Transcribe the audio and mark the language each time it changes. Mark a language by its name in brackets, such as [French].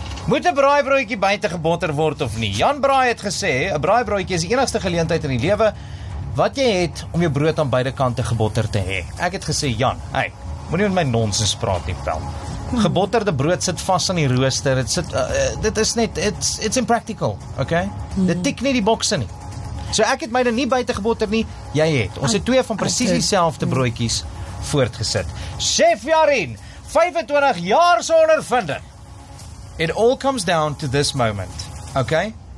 [Afrikaans] Moet 'n braaibroodjie buite gebotter word of nie? Jan Braai het gesê, 'n braaibroodjie is die enigste geleentheid in die lewe wat jy het om jou brood aan beide kante gebotter te hê. Ek het gesê, Jan, hey, moet nie met my nonsens praat nie, pel. Gebotterde brood sit vast aan die rooster, het sit, dit is net, [English] it's impractical, okay? [Afrikaans] Dit tik nie die bokse nie. So ek het myne nie buiten gebotter nie, jy het. Ons het 2 van precies dieselfde broodjies voortgesit. Chef Jarine, 25 jaar se ondervinding. [English] It all comes down to this moment, okay?